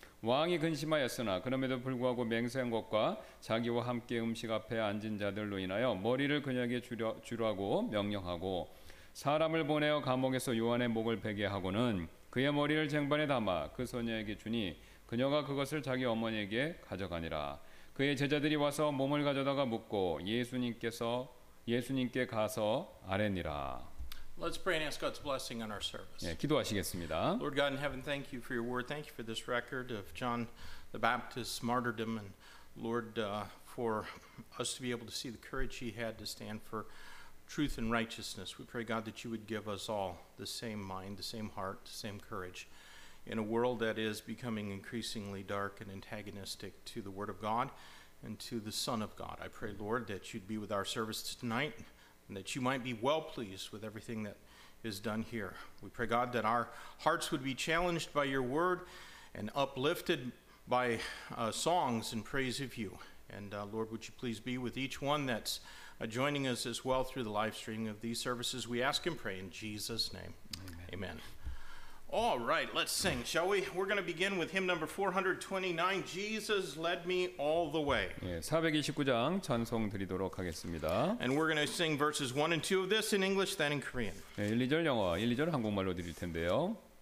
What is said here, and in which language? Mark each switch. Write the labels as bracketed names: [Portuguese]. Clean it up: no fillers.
[Korean] 왕이 근심하였으나 그럼에도 불구하고 맹세한 것과 자기와 함께 음식 앞에 앉은 자들로 인하여 머리를 그녀에게 주라고 명령하고 사람을 보내어 감옥에서 요한의 목을 베게 하고는 그의 머리를 쟁반에 담아 그 소녀에게 주니 그녀가 그것을 자기 어머니에게 가져가니라 그의 제자들이 와서 몸을 가져다가 묻고 예수님께 가서 아뢰니라 [English] Let's pray and ask God's blessing on our service. [Korean] 예, 기도하시겠습니다. [English] Lord God in heaven, thank you for your word. Thank you for this record of John the Baptist's martyrdom. And Lord, for us to be able to see the courage he had to stand for truth and righteousness. We pray, God, that you would give us all the same mind, the same heart, the same courage in a world that is becoming increasingly dark and antagonistic to the word of God and to the Son of God. I pray, Lord, that you'd be with our service tonight. And that you might be well pleased with everything that is done here. We pray, God, that our hearts would be challenged by your word and uplifted by songs and praise of you. And Lord, would you please be with each one that's joining us as well through the live streaming of these services. We ask and pray in Jesus' name. Amen. Amen. All right, let's sing, shall we? We're going to begin with hymn number 429, Jesus Led Me All the Way. [Korean] 429장 찬송 드리도록 하겠습니다. [English] And we're going to sing verses 1 and 2 of this in English, then in Korean. [Korean] 1, 2절 영어, 1, 2절 한국말로 드릴 텐데요.